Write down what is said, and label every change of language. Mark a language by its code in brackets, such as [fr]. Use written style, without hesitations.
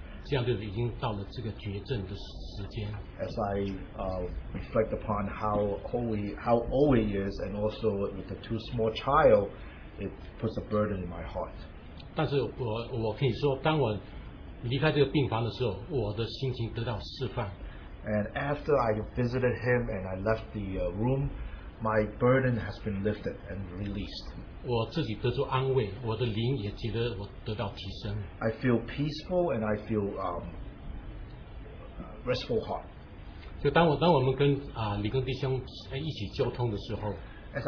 [en] As I reflect upon how old he is, and also with the two small child, it puts a burden in my heart. [zh] 但是我可以说，当我离开这个病房的时候，我的心情得到释放。 [en] And after I visited him and I left the room, my burden has been lifted and released. [zh] 我自己得出安慰，我的灵也觉得我得到提升。I [en] feel peaceful and I feel restful heart. [zh] 就当我们跟李根弟兄一起交通的时候，As